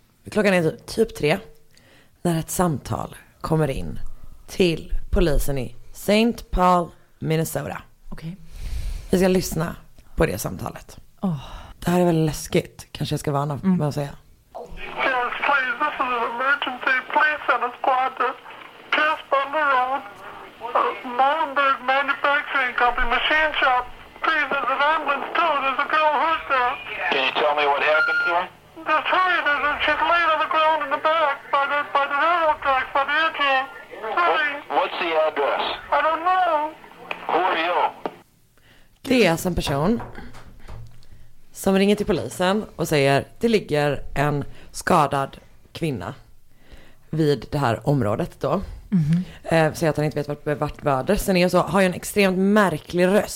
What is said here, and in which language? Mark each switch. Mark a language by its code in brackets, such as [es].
[sv] Klockan är typ 3 när ett samtal kommer in till polisen i St. Paul, Minnesota. Okej. Vi ska lyssna på det samtalet. Oh. Det här är väl läskigt. Kanske jag ska varna med att säga. [en] Yes, please. This is an emergency. Please send a squad to Casper on the road. Molenberg Manufacturing Company Machine Shop. Please, there's an ambulance too. There's a girl hurt there. Can you tell me what happened to her? Just hurry. She's laid on the ground in the back by the railroad tracks, by the air train. What's the address? I don't know. [sv] Det är alltså en person som ringer till polisen och säger att det ligger en skadad kvinna vid det här området då. Så att han inte vet vart värdelsen är. Och så har ju en extremt märklig röst.